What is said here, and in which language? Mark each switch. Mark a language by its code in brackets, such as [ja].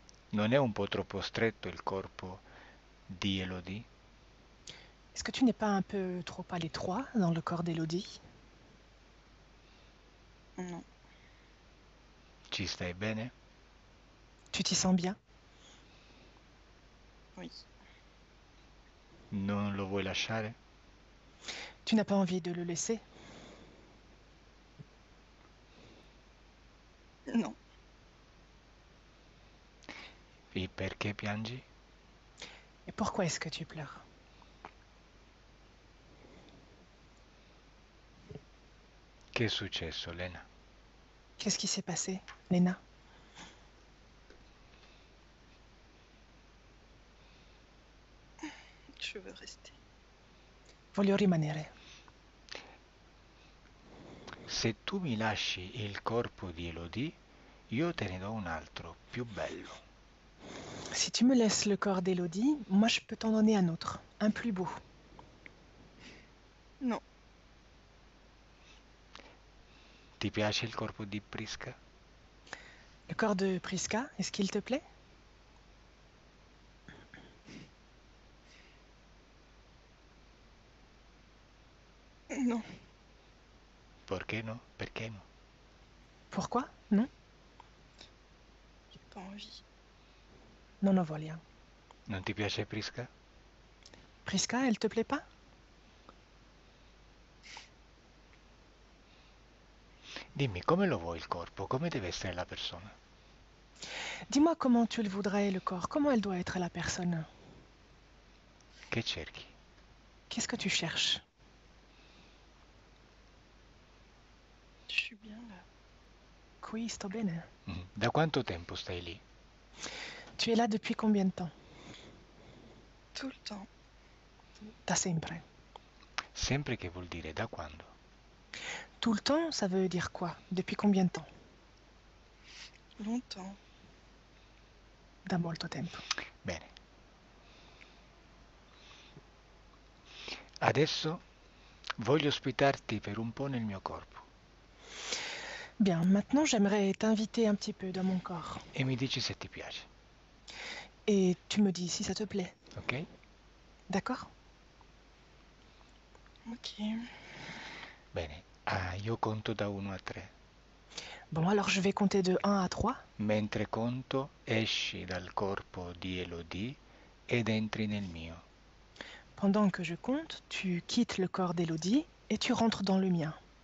[it] Non è un po' troppo stretto il corpo di Elodie? [fr] Est-ce que tu n'es pas un peu trop à l'étroit dans le corps d'Élodie? Non. [it] Ci stai bene? [fr] Tu t'y sens bien? Oui. [it] Non lo vuoi lasciare? [fr] Tu n'as pas envie de le laisser? Non. [it] E perché piangi? [fr] Et pourquoi est-ce que tu pleures? [it] Che è successo, Lena? [fr] Qu'est-ce qui s'est passé, Lena? Je veux rester. [it] Voglio rimanere. Se tu mi lasci il corpo di Elodie, io te ne do un altro, più bello. [fr] Si tu me laisses le corps d'Élodie, moi je peux t'en donner un autre, un plus beau. Non. [it] Ti piace il corpo di Prisca? [fr] Le corps de Priska, est-ce qu'il te plaît? Non. [it] Perché no? Perché no? [fr] Pourquoi? Non? J'ai pas envie. Non, non, voilà. [it] Non ti piace Prisca? [fr] Priska, elle te plaît pas? [it] Dimmi, come lo vuoi il corpo? Come deve essere la persona? [fr] Dis-moi comment tu le voudrais le corps, comment elle doit être la personne. [it] Che cerchi? [fr] Qu'est-ce que tu cherches? Je suis bien là. [it] Qui sto bene. Da quanto tempo stai lì? [fr] Tu es là depuis combien de temps? Tout le temps. [it] Da sempre. Sempre che vuol dire da quando? [fr] Tout le temps, ça veut dire quoi? Depuis combien de temps? Longtemps. [it] Da molto tempo. Bene. Adesso voglio ospitarti per un po' nel mio corpo. [fr] Bien, maintenant j'aimerais t'inviter un petit peu dans mon corps. [it] E mi dici se ti piace. [fr] Et tu me dis si ça te plaît. Ok? D'accord? Ok. [it] Bene, io conto da 1 a 3. [fr] Bon, alors je vais compter de 1 à 3. [it] Mentre conto, esci dal corpo di Elodie ed entri nel mio. [fr] Pendant que je compte, tu quittes le corps d'Élodie et tu rentres dans le mien.